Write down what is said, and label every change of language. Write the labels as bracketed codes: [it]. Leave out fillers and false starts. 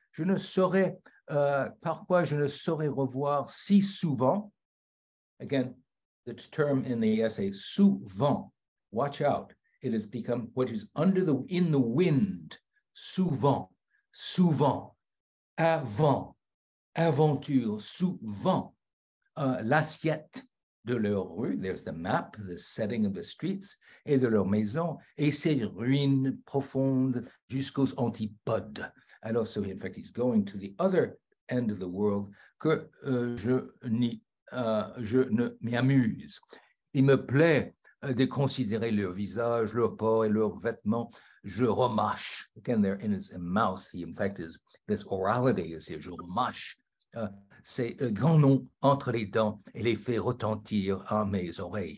[fr] Je ne saurais, pourquoi je ne saurais revoir si souvent? [en] Again, the term in the essay, souvent, watch out. It has become what is under the, in the wind, [fr] souvent, souvent, avant, aventure, souvent, l'assiette de leur rue, [en] there's the map, the setting of the streets, [fr] et de leur maison, et ses ruines profondes jusqu'aux antipodes. [en] Alors, so in fact, he's going to the other end of the world [fr] que je ne m'y amuse. Il me plaît de considérer leur visage, leur port et leurs vêtements. Je remâche. [en] Again, they're in his mouth. He, in fact, is this orality is here. [fr] Je remâche. C'est un grand nom entre les dents et les fait retentir à mes oreilles.